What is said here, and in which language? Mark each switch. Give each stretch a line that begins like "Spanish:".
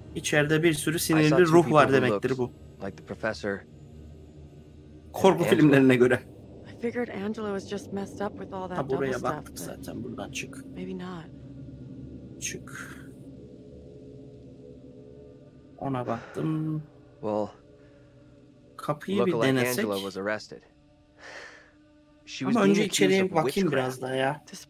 Turkish: içeride bir sürü sinirli ruh var demektir bu.
English: Like the professor.
Turkish: Korku filmlerine göre.
English: I figured Angela was just messed up with all that double stuff.
Turkish: Buraya baktık zaten, buradan çık.
English: Maybe not.
Turkish: Çık. Ona baktım.
English: Well.
Turkish: Kapıyı bir denesek.
English: Angela was arrested. She was.
Turkish: Ama önce içeriye bakayım biraz daha ya.